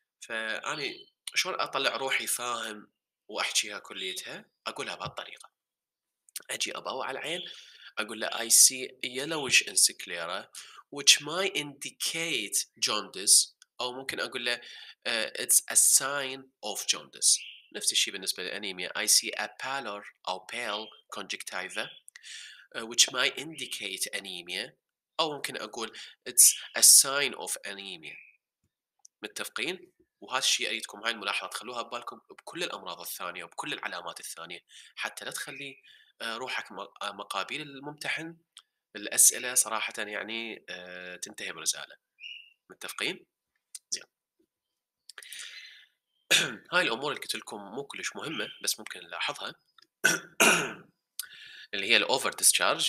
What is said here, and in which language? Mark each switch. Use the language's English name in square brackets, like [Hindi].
[Arabic] فأنا شلون أطلع روحي فاهم وأحكيها كليتها؟ أقولها بهالطريقة، أجي أباوع العين أقول له [English] I see yellowish in sclera which might indicate jaundice، [Arabic] أو ممكن أقول له [English] it's a sign of jaundice. [Arabic] نفس الشيء بالنسبة للأنيميا، [English] I see a pallor [Arabic] أو [English] pale conjunctiva which might indicate anemia، [Arabic] أو ممكن أقول [English] it's a sign of anemia. [Arabic] متفقين؟ وهذا الشيء أريدكم هاي الملاحظة تخلوها ببالكم بكل الأمراض الثانية وبكل العلامات الثانية، حتى لا تخلي روحك مقابل الممتحن الأسئلة صراحة يعني تنتهي برسالة، متفقين؟ زين، هاي الأمور اللي قلت لكم مو كلش مهمة بس ممكن نلاحظها، اللي هي الأوفر ديسشارج.